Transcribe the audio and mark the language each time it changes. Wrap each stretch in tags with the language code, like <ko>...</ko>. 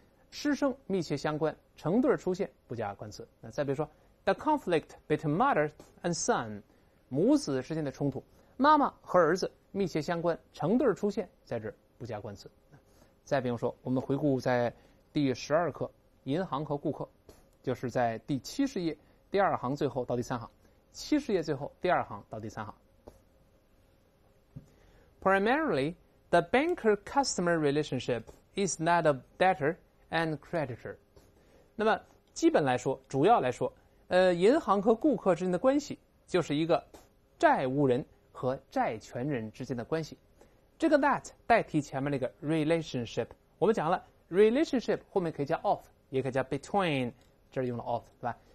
<zh>师生密切相关，成对出现不加冠词。那再比如说</zh> <en>The conflict between mother and son，</en> <zh>母子之间的冲突，妈妈和儿子密切相关，成对出现在这不加冠词。再比如说，我们回顾在第十二课《银行和顾客》，就是在第七十页第二行最后到第三行，七十页最后第二行到第三行。</zh> <en>Primarily, the banker-customer relationship is that of debtor and creditor.</en> <zh>那么，基本来说，主要来说，银行和顾客之间的关系就是一个债务人和债权人之间的关系。这个 that 代替前面那个 relationship， 我们讲了 relationship 后面可以加 of， 也可以加 between， 这儿用了 of， 对吧？</zh>